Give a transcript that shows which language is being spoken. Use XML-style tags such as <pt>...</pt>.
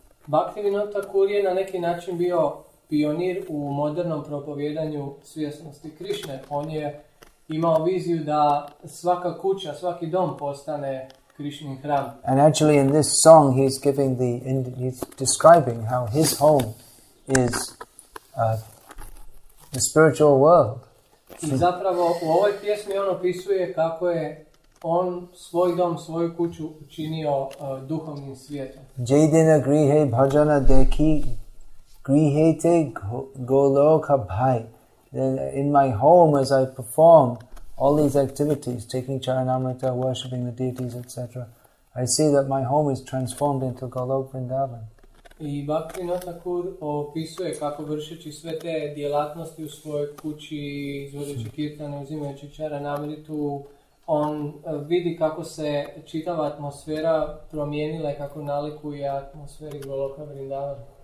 <hr>Bhaktivinoda Thakura je na neki način bio pionir u modernom propovjedanju svjesnosti Krišne. On je imao viziju da svaka kuća, svaki dom postane Krišnin hram.</hr> <en>And actually in this song he's describing how his home is the spiritual world.</en> <hr>I zapravo u ovoj pjesmi on opisuje kako je on svoj dom, svoju kuću učinio duhovnim svijetom.</hr> <bn>Jaidina grihe bhajana dekhi grihete goloka bhai.</bn> <en>Then in my home as I perform all these activities, taking charanamrita, worshipping the deities, etc., I see that my home is transformed into Golok Vrindavan.</en> <hr>I Bhaktivinoda Thakura opisuje kako vršeći sve te djelatnosti u svojoj kući, izvodeći kirtane, uzimajući charanamritu, on vidi kako se čitava atmosfera promijenila i kako nalikuje atmosferi Goloka Vrindavana.</hr>